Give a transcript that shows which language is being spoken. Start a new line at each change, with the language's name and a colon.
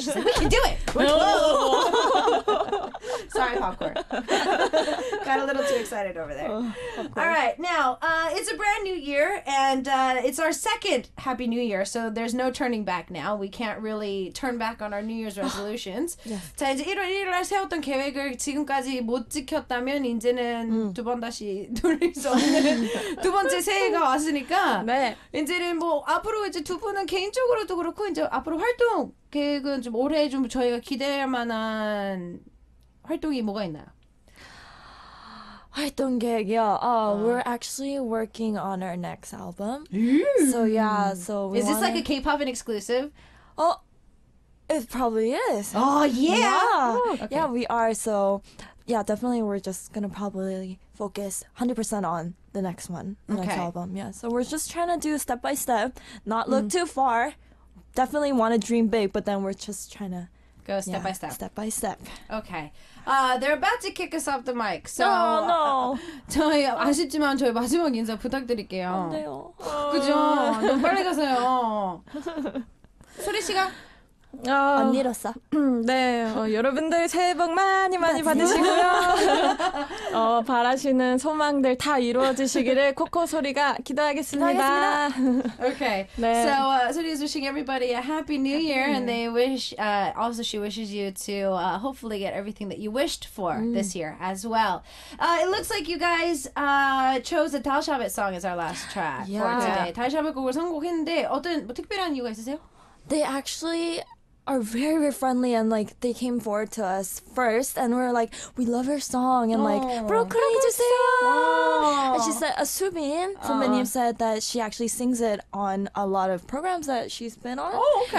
English: She's like, we can do it! We're cool! Sorry, Popcorn. Got a little too excited over there. All right, now, it's a brand new year, and it's our second Happy New Year, so there's no turning back now. We can't really turn back on our New Year's resolutions. Yeah.
Korean: 자, 이제 1월 1일에 세웠던 계획을 지금까지 못 지켰다면 이제는 두 번 다시 돌릴 수 없는 두 번째 새해가 왔으니까 네. 이제는 뭐 앞으로 이제 두 분은 개인적으로도 그렇고 이제 앞으로 활동 계획은 좀 올해 좀 저희가 기대할 만한 활동이 뭐가 있나요? 활동 계획이요.
English: We're actually working on our next album. So yeah, so we is this like a K-pop an exclusive? It probably is. Oh yeah. Yeah. Oh, okay. Yeah, we are. So yeah, definitely we're just gonna probably focus 100% on the next one, the next album. Yeah. So we're just trying to do step by step, not look too far. Definitely want to dream big, but then we're just trying to go step by step. Step by step. Okay. They're about to kick us off the mic. So, no.
Korean: 저희 아쉽지만 저희 마지막 인사 부탁드릴게요. 안 돼요. 그죠? 너무 빨리 가세요. 소리 씨가 언니로서 네 여러분들 새해 복 많이 많이 받으시고요 바라시는 소망들 다 이루어지시기를 코코 소리가 기도하겠습니다. Okay, 네.
English: So Suri is wishing everybody a happy New Year, and they wish. Also, she wishes you to hopefully get everything that you wished for this year as well. It looks like you guys chose a Tal Shabbat song as our last track for today.
Korean: 달 샤벳 곡을 선곡했는데 어떤 뭐 특별한 이유가 있으세요?
English: They actually are very, very friendly, and like they came forward to us first, and we're like, we love her song, and like, bro, could I just say? And she said, Subin, somebody said that she actually sings it on a lot of programs that she's been on. Oh, okay.